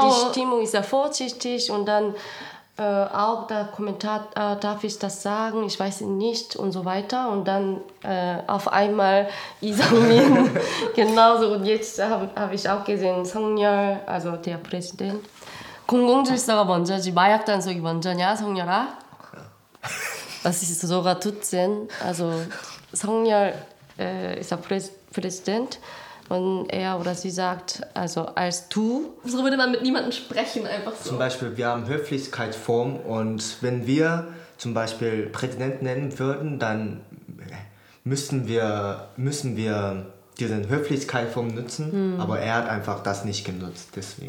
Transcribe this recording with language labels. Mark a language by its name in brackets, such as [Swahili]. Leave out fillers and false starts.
[German] Alle, die Stimmung ist sehr vorsichtig und dann auch der Kommentar, darf ich das sagen, ich weiß nicht und so weiter. Und dann auf einmal Isangmin genauso. Und jetzt hab ich auch gesehen, Songyeol, also der Präsident. [Korean] 공공질서가 먼저지, 마약 단속이 먼저냐, 성열아? [German] Das ist sogar Tutsen, also Songyeol ist der Präsident und er oder sie sagt, also als du. So würde man mit niemandem sprechen, einfach so. Zum Beispiel, wir haben Höflichkeitsform und wenn wir zum Beispiel Präsident nennen würden, dann müssen wir diese Höflichkeitsform nutzen, aber er hat einfach das nicht genutzt, deswegen.